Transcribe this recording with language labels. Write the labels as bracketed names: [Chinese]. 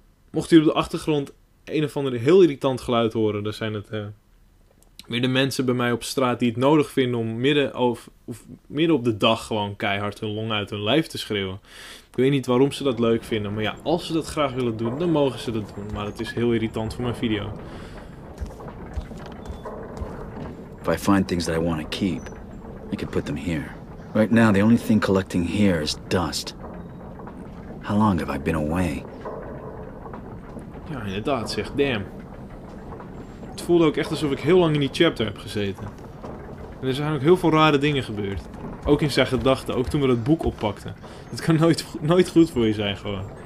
[Dutch] Mocht u op de achtergrond een of ander heel irritant geluid horen, dan zijn het weer de mensen bij mij op straat die het nodig vinden om midden op de dag gewoon keihard hun long uit hun lijf te schreeuwen. Ik weet niet waarom ze dat leuk vinden, maar ja, als ze dat graag willen doen, dan mogen ze dat doen. Maar het is heel irritant voor mijn video. [English] If I find things that I want to keep, I could put them here. Right now, the only thing collecting here is dust. How long have I been away? [Dutch] Ja, inderdaad, zeg. Damn. Het voelde ook echt alsof ik heel lang in die chapter heb gezeten. En er zijn ook heel veel rare dingen gebeurd. Ook in zijn gedachten, ook toen we dat boek oppakten. Het kan nooit goed voor je zijn, gewoon.